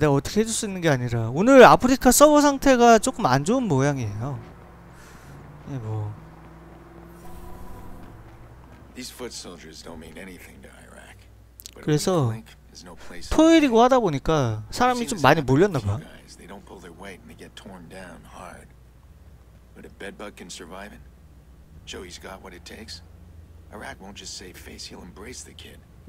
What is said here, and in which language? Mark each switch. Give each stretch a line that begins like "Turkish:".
Korean: 내가 어떻게 해줄 수 있는 게 아니라 오늘 아프리카 서버 상태가 조금 안 좋은 모양이에요. 예, 뭐.
English: These foot soldiers don't mean anything to Iraq.
Korean: 그래서 토요일이고 하다 보니까 사람이 좀 많이 몰렸나 봐.
English: They don't pull their weight and they get torn down hard. But if Bedbug can survive it, Joey's got what it takes. Iraq won't just save face, he'll embrace the kid.